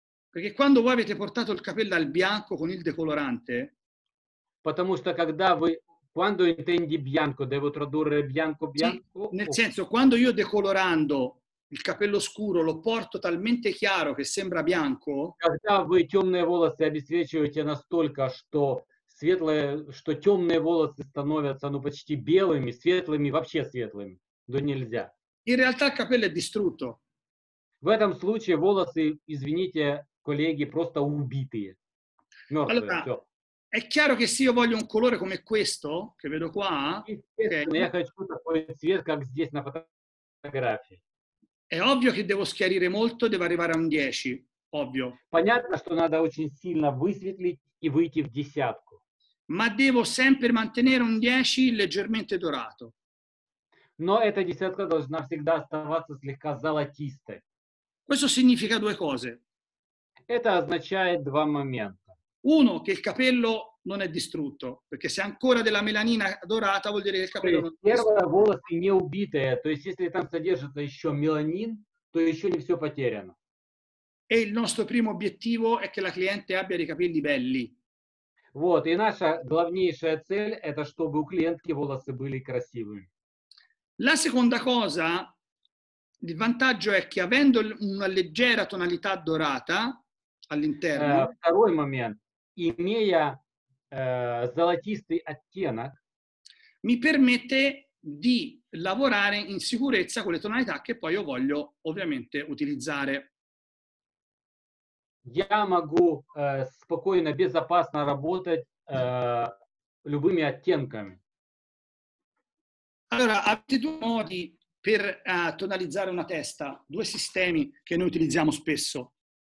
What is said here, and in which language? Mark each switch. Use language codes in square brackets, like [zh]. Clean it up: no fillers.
[it] Perché quando voi avete portato il capello al bianco con il decolorante? [ru] Потому что когда вы, [it] quando intendi bianco, devo tradurre bianco bianco. Sì, nel senso, quando io decolorando il capello scuro lo porto talmente chiaro che sembra bianco. [ru] Когда вы темные волосы обесцвечиваете настолько, что светлые, что темные волосы становятся, ну, почти белыми, светлыми, вообще светлыми, то нельзя. [it] In realtà il capello è distrutto. [ru] В этом случае волосы, извините, коллеги, просто убитые. Мертвые, [it] allora, [ru] все. [it] È chiaro che se io voglio un colore come questo, che vedo qua, [ru] okay. Я хочу такой цвет, как здесь на фотографии. [it] È ovvio che devo schiarire molto, devo arrivare a un 10, ovvio. [ru] Понятно, что надо очень сильно высветлить и выйти в десятку. [it] Ma devo sempre mantenere un 10 leggermente dorato. [ru] Но эта десятка должна всегда оставаться слегка золотистой. [it] Questo significa due cose. [ru] Это означает два момента. [it] Uno, che il capello non è distrutto, perché se ancora della melanina dorata vuol dire che il capello non è distrutto. [ru] Первое, волосы не убитые, то есть если там содержится еще меланин, то еще не все потеряно. [it] E il nostro primo obiettivo è che la cliente abbia dei capelli belli. [ru] Вот, и наша главнейшая цель это чтобы у клиентки волосы были красивыми. [it] La seconda cosa, il vantaggio è che avendo una leggera tonalità dorata all'interno. [ru] Второй момент, имея золотистый оттенок, [it] mi permette di lavorare in sicurezza con le tonalità che poi io voglio ovviamente utilizzare. [ru] Я могу спокойно, безопасно работать любыми оттенками. [it] Allora, avete due modi per tonalizzare una testa, due sistemi che noi utilizziamo spesso.